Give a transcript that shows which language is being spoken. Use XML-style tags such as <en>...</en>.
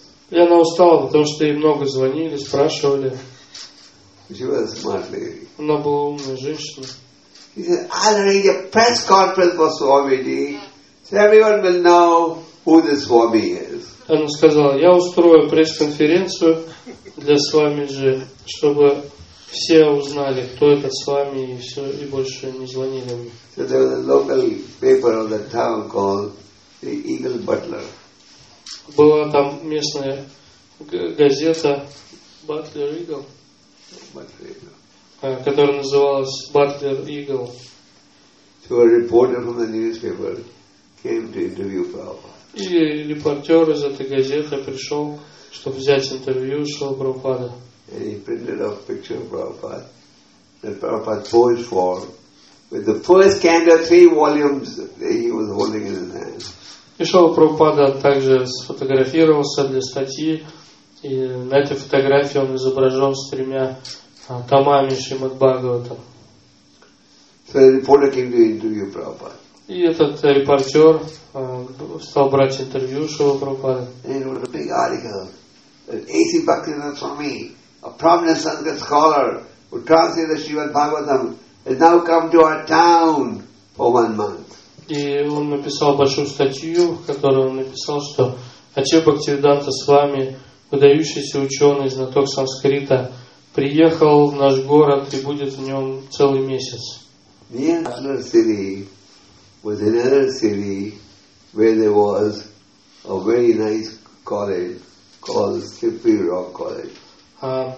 <ru>И она устала, потому что ей много звонили, спрашивали. Она была умная женщина.</ru> <en>He said, I'll arrange a press conference for Swamiji, so everyone will know who the Swami is.</en> <ru>Она сказала: я устрою пресс-конференцию для Свамиджи, чтобы все узнали, кто этот Свами, и все, и больше не звонили мне.</ru> <en>So there was a local paper of the town called the Eagle Butler.</en> <ru>Была там местная газета Butler Eagle.</ru> <en>Butler Eagle.</en> <ru>Которая называлась Butler Eagle.</ru> <en>So a reporter from the newspaper came to interview Prabhupada.</en> <ru>И репортер из этой газеты пришел, чтобы взять интервью Шрилы Прабхупады.</ru> <en>And he printed off a picture of Prabhupada, that Prabhupada posed for, with the first candle, three volumes that he was holding in his hand.</en> <ru>И Шрила Прабхупада также сфотографировался для статьи, и на этой фотографии он изображен с тремя томами Шримад Бхагаватам.</ru> <en>So the reporter came to interview Prabhupada.</en> <ru>И этот репортер стал брать интервью Шрилы Прабхупады.</ru> <en>And it was a big article that A.C. Bhaktivinoda Swami, a prominent Sanskrit scholar who translated the Shrimad Bhagavatam, has now come to our town for 1 month.</en> <ru>И он написал большую статью, в которой он написал, что Ачья Бхактивиданта Свами, выдающийся ученый, знаток санскрита, приехал в наш город и будет в нем целый месяц.</ru> <en>Near another city was another city where there was a very nice college called Slippery Rock College.</en>